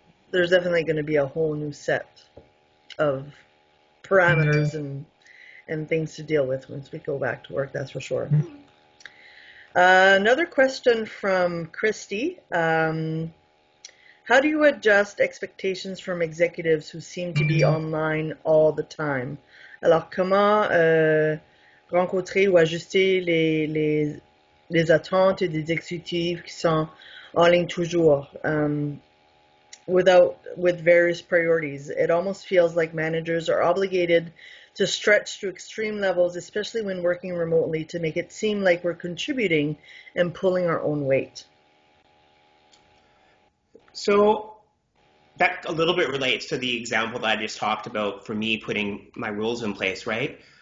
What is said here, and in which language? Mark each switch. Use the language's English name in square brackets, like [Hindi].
[English] There's definitely going to be a whole new set of parameters and things to deal with once we go back to work, that's for sure. Another question from Christy. How do you adjust expectations from executives who seem to be online all the time? [French] Alors, comment rencontrer ou ajuster les attentes des exécutifs qui sont en ligne toujours? [English] With various priorities, it almost feels like managers are obligated to stretch to extreme levels, especially when working remotely, to make it seem like we're contributing and pulling our own weight. So that a little bit relates to the example that I just talked about for me putting my rules in place, right?